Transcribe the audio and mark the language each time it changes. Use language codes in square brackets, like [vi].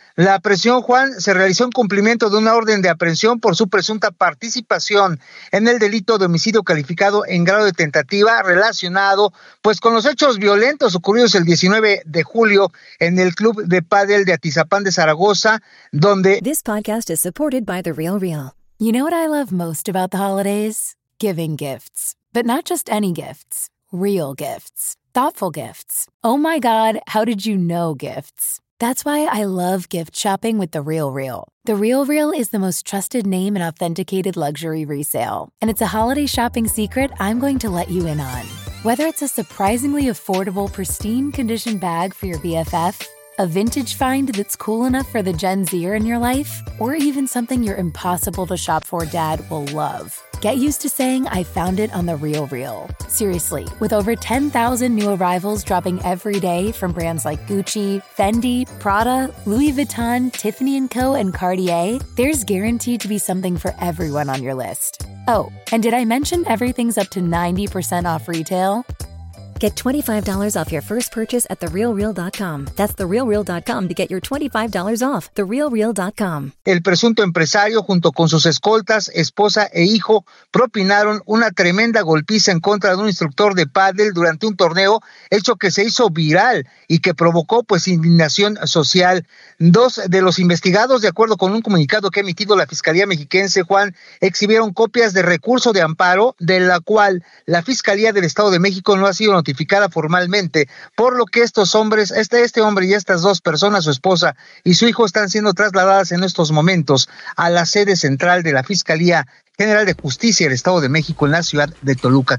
[es] La aprehensión, Juan, se realizó en cumplimiento de una orden de aprehensión por su presunta participación en el delito de homicidio calificado en grado de tentativa relacionado, pues, con los hechos violentos ocurridos el 19 de julio en el club de pádel de Atizapán de Zaragoza, donde... [en] This podcast is supported by The Real Real. You know what I love most about the holidays? Giving gifts. But not just any gifts. Real gifts. Thoughtful gifts. Oh my God, how did you know gifts? That's why I love gift shopping with The Real Real. The Real Real is the most trusted name in authenticated luxury resale. And it's a holiday shopping secret I'm going to let you in on. Whether it's a surprisingly affordable, pristine condition bag for your BFF, a vintage find that's cool enough for the Gen Zer in your life, or even something your impossible to shop for dad will love. Get used to saying, I found it on The Real Real. Seriously, with over 10,000 new arrivals dropping every day from brands like Gucci, Fendi, Prada, Louis Vuitton, Tiffany & Co., and Cartier, there's guaranteed to be something for everyone on your list. Oh, and did I mention everything's up to 90% off retail? Get $25 off your first purchase at TheRealReal.com. That's TheRealReal.com to get your $25 off. TheRealReal.com. [es] El presunto empresario, junto con sus escoltas, esposa e hijo, propinaron una tremenda golpiza en contra de un instructor de pádel durante un torneo, hecho que se hizo viral y que provocó, pues, indignación social. Dos de los investigados, de acuerdo con un comunicado que ha emitido la Fiscalía Mexiquense, Juan, exhibieron copias de recurso de amparo, de la cual la Fiscalía del Estado de México no ha sido notificada formalmente, por lo que estos hombres, este hombre y estas dos personas, su esposa y su hijo, están siendo trasladadas en estos momentos a la sede central de la Fiscalía General de Justicia del Estado de México en la ciudad de Toluca.